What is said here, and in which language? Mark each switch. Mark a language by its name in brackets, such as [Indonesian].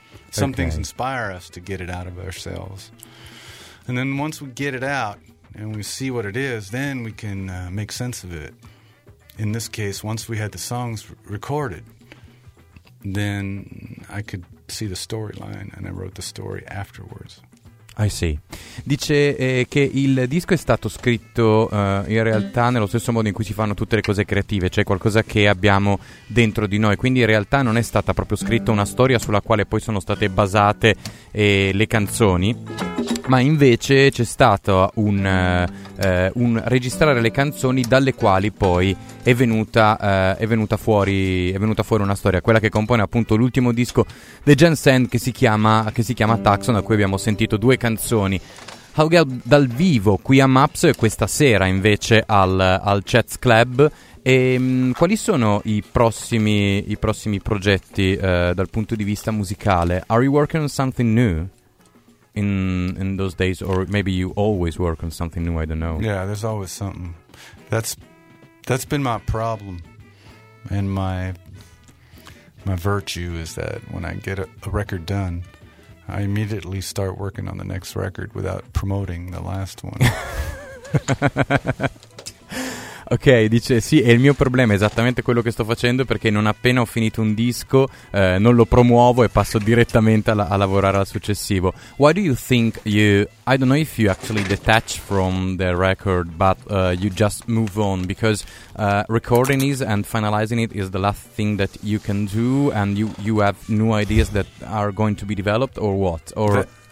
[English] Some okay. things inspire us to get it out of ourselves. And then once we get it out and we see what it is, then we can make sense of it. In this case, once we had the songs recorded, then I could see the storyline and I wrote the story afterwards. I see. [Italian] Dice che il disco è stato scritto in realtà nello stesso modo in cui si fanno tutte le cose creative, cioè qualcosa che abbiamo dentro di noi. Quindi in realtà non è stata proprio scritta una storia sulla quale poi sono state basate le canzoni, ma invece c'è stato un registrare le canzoni dalle quali poi è venuta fuori una storia, quella che compone appunto l'ultimo disco The Jensen, che si chiama Tucson, a cui abbiamo sentito due canzoni. Haugel dal vivo qui a Maps questa sera invece al Chats Club. E quali sono i prossimi progetti dal punto di vista musicale? [English] Are you working on something new in those days, or maybe you always work on something new? I don't know. Yeah, there's always something. That's been my problem, and my virtue is that when I get a record done, I immediately start working on the next record without promoting the last one. [Italian] Ok, dice sì, è il mio problema, è esattamente quello che sto facendo, perché non appena ho finito un disco non lo promuovo e passo direttamente a lavorare al successivo. [English] Why do you think I don't know if you actually detach from the record, but you just move on, because recording is and finalizing it is the last thing that you can do, and you have new ideas that are going to be developed, or what? Or